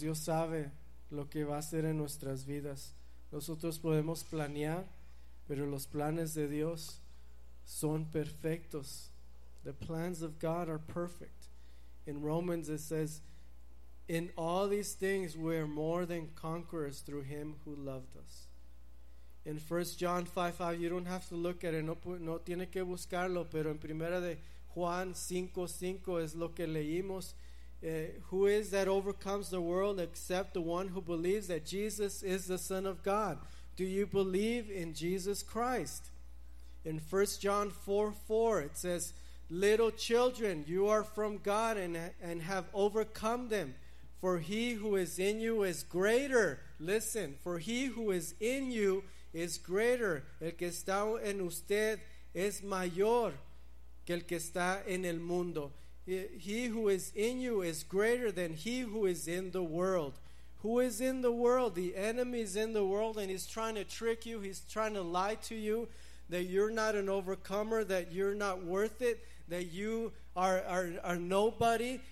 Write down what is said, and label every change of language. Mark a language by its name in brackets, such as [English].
[Spanish] Dios sabe lo que va a hacer en nuestras vidas. Nosotros podemos planear, pero los planes de Dios son perfectos. [English] The plans of God are perfect. In Romans it says, in all these things we are more than conquerors through him who loved us. In 1 John 5:5, you don't have to look at it, [Spanish] no tiene que buscarlo, pero en 1 Juan 5:5 es lo que leímos. [English] Who is that overcomes the world except the one who believes that Jesus is the Son of God? Do you believe in Jesus Christ? In 1 John 4:4, it says, little children, you are from God and have overcome them. For he who is in you is greater. Listen, for he who is in you is greater. [Spanish] El que está en usted es mayor que el que está en el mundo. [English] He who is in you is greater than he who is in the world. Who is in the world? The enemy is in the world, and he's trying to trick you. He's trying to lie to you that you're not an overcomer, that you're not worth it, that you are nobody.